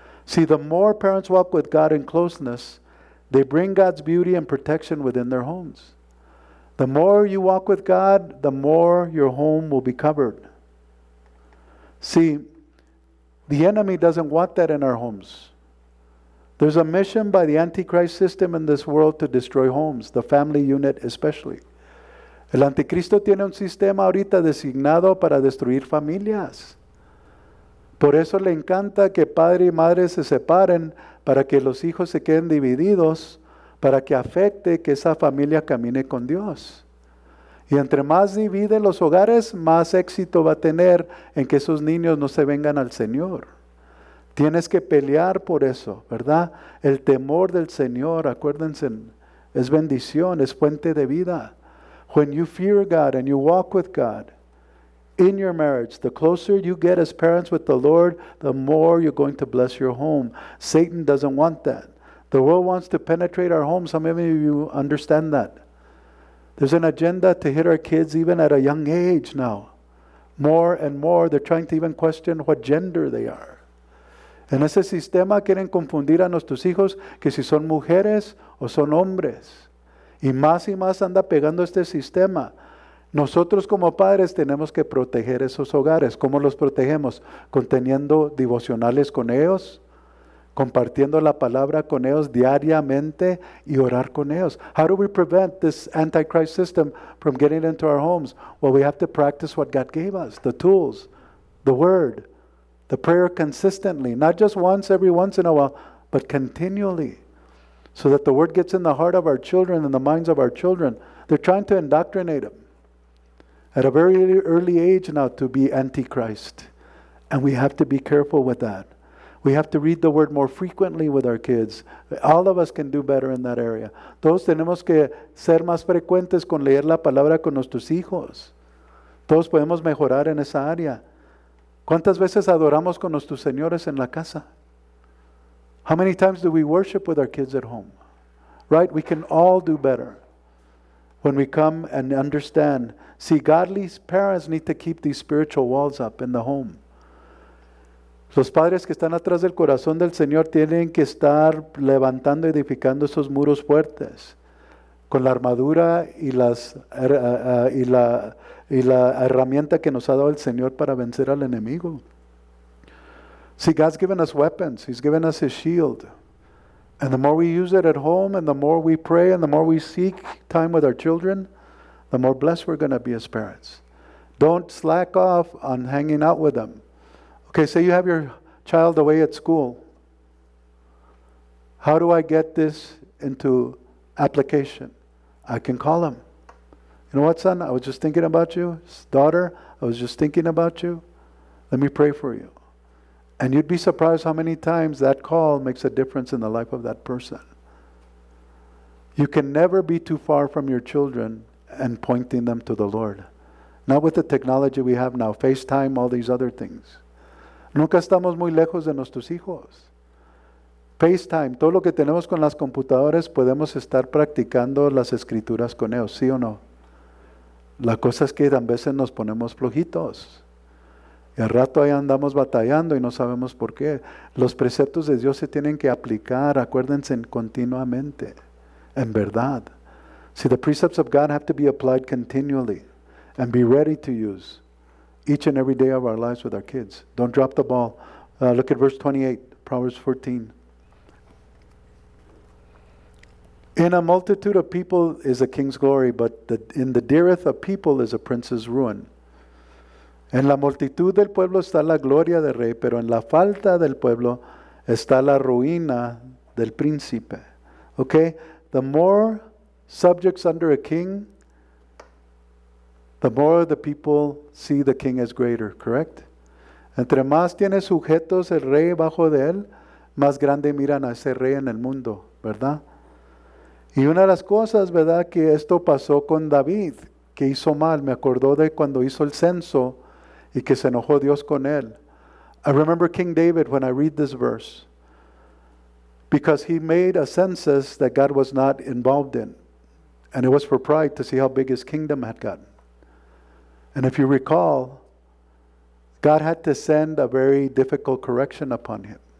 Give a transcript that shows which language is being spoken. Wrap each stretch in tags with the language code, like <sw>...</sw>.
<en>See, the more parents walk with God in closeness, they bring God's beauty and protection within their homes. The more you walk with God, the more your home will be covered. See, the enemy doesn't want that in our homes. There's a mission by the Antichrist system in this world to destroy homes, the family unit especially.</en> <es>El anticristo tiene un sistema ahorita designado para destruir familias. Por eso le encanta que padre y madre se separen para que los hijos se queden divididos, para que afecte que esa familia camine con Dios. Y entre más divide los hogares, más éxito va a tener en que esos niños no se vengan al Señor. Tienes que pelear por eso, ¿verdad? El temor del Señor, acuérdense, es bendición, es fuente de vida.</es> <en>When you fear God and you walk with God in your marriage, the closer you get as parents with the Lord, the more you're going to bless your home. Satan doesn't want that. The world wants to penetrate our homes. How many of you understand that? There's an agenda to hit our kids even at a young age now. More and more, they're trying to even question what gender they are.</en> <es>En ese sistema quieren confundir a nuestros hijos que si son mujeres o son hombres. Y más anda pegando este sistema. Nosotros como padres tenemos que proteger esos hogares. ¿Cómo los protegemos? Conteniendo devocionales con ellos, compartiendo la palabra con ellos diariamente y orar con ellos.</es> <en>How do we prevent this antichrist system from getting into our homes? Well, we have to practice what God gave us, the tools, the word, the prayer consistently, not just once every once in a while, but continually, so that the word gets in the heart of our children and the minds of our children. They're trying to indoctrinate them at a very early age now to be antichrist. And we have to be careful with that. We have to read the word more frequently with our kids. All of us can do better in that area.</en> <es>Todos tenemos que ser más frecuentes con leer la palabra con nuestros hijos. Todos podemos mejorar en esa área. ¿Cuántas veces adoramos con nuestros señores en la casa?</es> <en>How many times do we worship with our kids at home? Right? We can all do better when we come and understand. See, godly parents need to keep these spiritual walls up in the home.</en> <es>Los padres que están atrás del corazón del Señor tienen que estar levantando, edificando esos muros fuertes con la armadura y la herramienta que nos ha dado el Señor para vencer al enemigo.</es> <en>See, God's given us weapons. He's given us His shield. And the more we use it at home, and the more we pray, and the more we seek time with our children, the more blessed we're going to be as parents. Don't slack off on hanging out with them. Okay, say you have your child away at school. How do I get this into application? I can call them. You know what, son? I was just thinking about you. Daughter, I was just thinking about you. Let me pray for you. And you'd be surprised how many times that call makes a difference in the life of that person. You can never be too far from your children and pointing them to the Lord. Not with the technology we have now, FaceTime, all these other things.</en> <es>Nunca estamos muy lejos de nuestros hijos. FaceTime, todo lo que tenemos con las computadoras, podemos estar practicando las escrituras con ellos, ¿sí o no? La cosa es que a veces nos ponemos flojitos. Y al rato ahí andamos batallando y no sabemos por qué. Los preceptos de Dios se tienen que aplicar, acuérdense, continuamente, en verdad.</es> <en>See, the precepts of God have to be applied continually and be ready to use each and every day of our lives with our kids. Don't drop the ball. Look at verse 28, Proverbs 14. In a multitude of people is a king's glory, but in the dearth of people is a prince's ruin.</en> <es>En la multitud del pueblo está la gloria del rey, pero en la falta del pueblo está la ruina del príncipe.</es> <en>Okay? The more subjects under a king, the more the people see the king as greater, correct?</en> <es>Entre más tiene sujetos el rey bajo de él, más grande miran a ese rey en el mundo, ¿verdad? Y una de las cosas, ¿verdad?, que esto pasó con David, que hizo mal, me acordó de cuando hizo el censo y que se enojó Dios con él.</es> <en>I remember King David when I read this verse, because he made a census that God was not involved in, and it was for pride to see how big his kingdom had gotten. And if you recall, God had to send a very difficult correction upon him.</en>